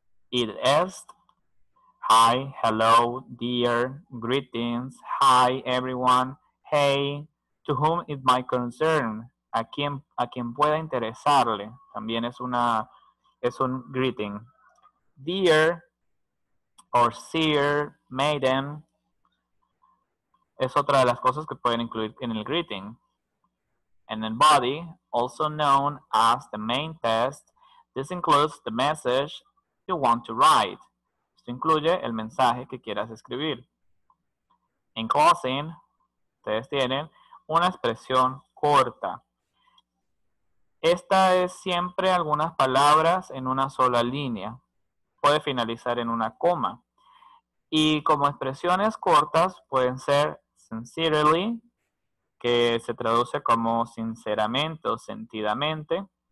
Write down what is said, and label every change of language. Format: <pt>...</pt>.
<en>It is hi, hello, dear, greetings, hi, everyone, hey, to whom it might concern,</en> <es>a quien pueda interesarle, también es un greeting.</es> <en>Dear, or sir, maiden,</en> <es>es otra de las cosas que pueden incluir en el greeting.</es> <en>And then body, also known as the main test, this includes the message you want to write.</en> <es>Incluye el mensaje que quieras escribir. En closing, ustedes tienen una expresión corta. Esta es siempre algunas palabras en una sola línea. Puede finalizar en una coma. Y como expresiones cortas pueden ser sincerely, que se traduce como sinceramente o sentidamente.</es>